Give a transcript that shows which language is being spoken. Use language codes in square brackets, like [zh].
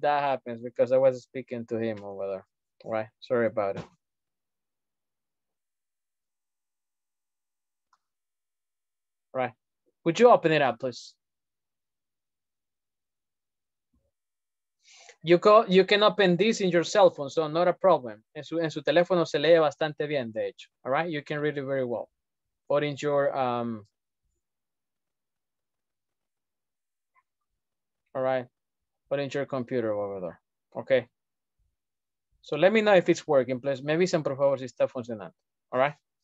[en] That happens because I was speaking to him over there. Right, sorry about it. Right, would you open it up, please? You can open this in your cell phone, so not a problem. [es] En su teléfono se lee bastante bien, de hecho. [en] All right, you can read it very well. Or in your, all right, or in your computer over there, okay? So let me know if it's working, please. [es] Me avisan, por favor, si está funcionando. [en] All right?